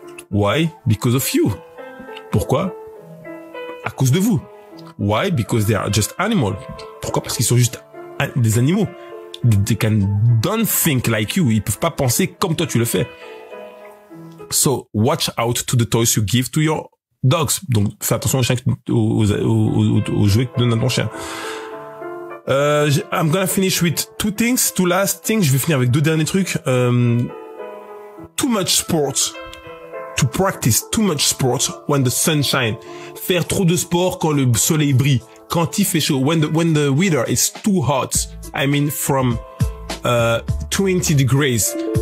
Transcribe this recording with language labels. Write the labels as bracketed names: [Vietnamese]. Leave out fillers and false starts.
[English] Why? [French] Because of you. Pourquoi? À cause de vous. Why? [English] Because they are just animals. [French] Pourquoi? Parce qu'ils sont juste des animaux. [English] They can don't think like you. [French] Ils peuvent pas penser comme toi tu le fais. [English] So watch out to the toys you give to your dogs. [French] Donc fais attention aux jouets que tu donnes à ton chien. [English] I'm gonna finish with two things, two last things. [French] Je vais finir avec deux derniers trucs. [English] Too much sports. To practice too much sports when the sun shine. [French] Faire trop de sport quand le soleil brille, quand il fait chaud. [English] When the weather is too hot, I mean from 20 degrees.